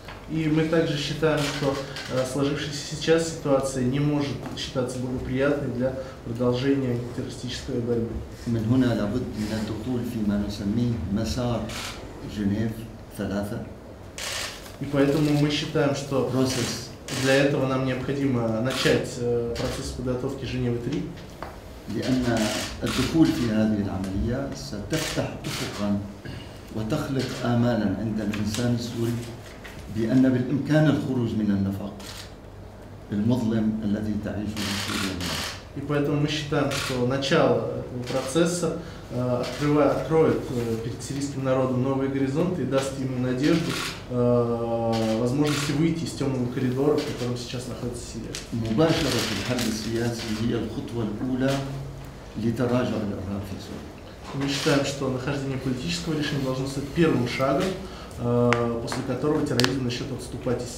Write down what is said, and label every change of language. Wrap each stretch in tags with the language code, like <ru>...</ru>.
<ru>И мы также считаем, что сложившаяся сейчас ситуация не может считаться благоприятной для продолжения террористической борьбы.</ru> <ar>من هنا لابد من الدخول في ما نسميه مسار جنيف ثلاثة.</ar> <ru>И поэтому мы считаем, что процесс для этого нам необходимо начать процесс подготовки Женевы 3.</ru> <ar>لأن الدخول في هذه العملية ستفتح أفقا وتخلق آمالا عند الإنسان السوري بأن بالإمكان الخروج من النفق المظلم الذي تعيشه سوريا.</ar> <ru>И поэтому мы считаем, что начало этого процесса откроет перед сирийским народом новые горизонты и даст ему надежду, возможности выйти из темного коридора, в котором сейчас находится Сирия.</ru> <ar>مباشرة الحل السياسي هي الخطوة الأولى لتراجع الإرهاب في سوريا.</ar> <ru>Мы считаем, что нахождение политического решения должно стать первым шагом, после которого терроризм начнет отступать из</ru>